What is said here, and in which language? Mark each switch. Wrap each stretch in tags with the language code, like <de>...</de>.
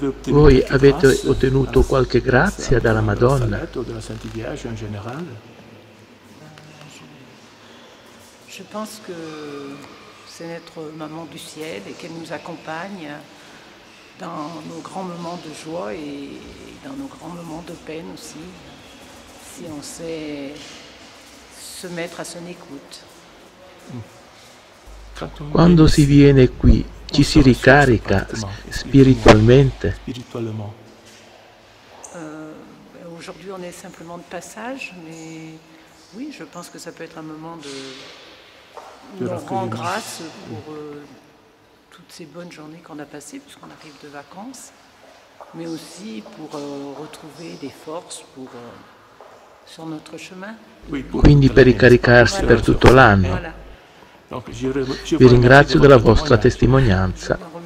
<it>Voi avete ottenuto qualche grazia dalla Madonna?</it> <fr>Je pense que c'est notre maman du ciel et qu'elle nous accompagne dans nos grands moments de joie et dans nos grands moments de peine aussi, si on sait se mettre à son écoute.</fr> <it>Quando si viene qui, ci si ricarica spiritualmente?</it> <fr>Aujourd'hui on est simplement de passage, mais oui, je pense que ça peut être un moment de rend grâce pour toutes ces bonnes journées qu'on a passées, puisqu'on arrive de vacances, mais aussi pour retrouver des forces pour sur notre chemin.</fr> <it>Quindi per ricaricarsi voilà. Per tutto l'anno. Voilà. Vi ringrazio della vostra testimonianza.</it>